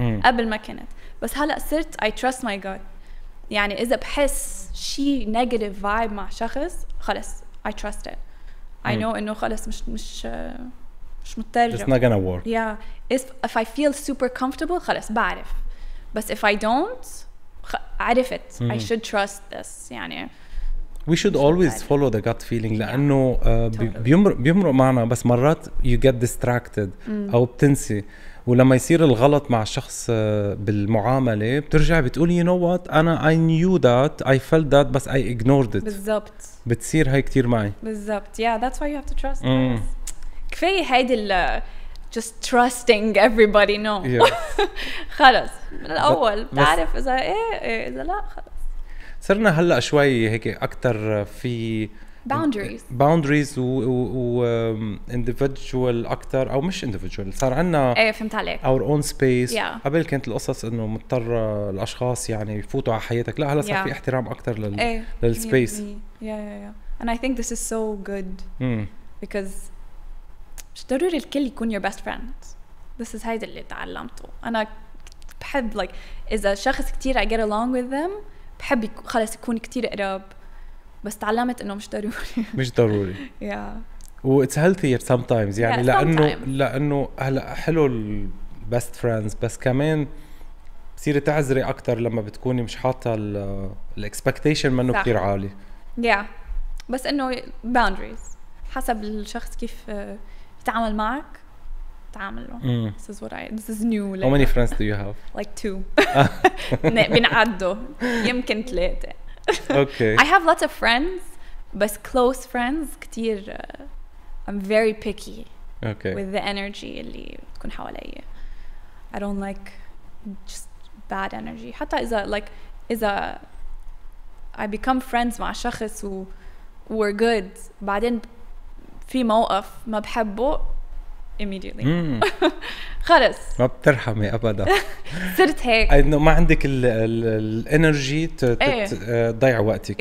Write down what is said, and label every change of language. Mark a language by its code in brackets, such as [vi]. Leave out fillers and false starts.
[ar] قبل ما كنت بس هلا صرت [en] I trust my gut. [ar] يعني اذا بحس شيء negative vibe مع شخص خلص [en] I trust it. I know [ar] انه خلص مش مترجم. [en] It's not gonna work. Yeah. If I feel super comfortable [ar] خلص بعرف. [en] بس if I don't عرفت I should trust this. [ar] يعني [en] we should always follow the gut feeling [ar] لأنه بيمرق معنا بس مرات [en] you get distracted [ar] أو بتنسي. ولما يصير الغلط مع شخص بالمعاملة بترجع بتقول [en] you know what أنا I knew that I felt that بس I ignored it. [ar] بالضبط. بتصير هاي كتير معي. بالضبط. [en] Yeah that's why you have to trust [ar] كفاية هيدي [en] just trusting everybody no [ar] خلص من الاول بتعرف اذا ايه اذا لا خلص. صرنا هلا شوي هيك اكثر في [en] boundaries [ar] و individual اكثر او مش individual صار عندنا ايه فهمت عليك [en] our own space. yeah. [ar] قبل كانت القصص انه مضطر الاشخاص يعني يفوتوا على حياتك، لا هلا صار [en] yeah. [ar] في احترام اكثر للspace. [en] yeah. and I think this is so good because [ar] مش ضروري الكل يكون [en] your best friend. [ar] This is هيدا اللي تعلمته. أنا بحب like إذا شخص كتير [en] I get along with them [ar] بحب خلاص يكون كتير قراب. بس تعلمت إنه مش ضروري. مش ضروري. [en] yeah. و it's healthier sometimes يعني yeah, sometime. [ar] لأنه هلا حلو ال best friends بس كمان بصير تعذري أكتر لما بتكوني مش حاطة ال expectation منه كتير عالي. [en] yeah. [ar] بس إنه boundaries حسب الشخص كيف تعامل معك تعامله. [en] This is what I this is new. How many friends do you have? Like 2. [ar] بنعده يمكن 3. [en] Okay. I have lots of friends but close friends كتير. I'm very picky. Okay. With the energy [ar] اللي تكون حوالي. [en] I don't like just bad energy. [ar] حتى إذا like إذا [en] I become friends [ar] مع شخص و [en] we're good [ar] بعدين في موقف ما بحبه immediately. خلص ما بترحمي ابدا. صرت هيك انه ما عندك الانرجي تضيع وقتك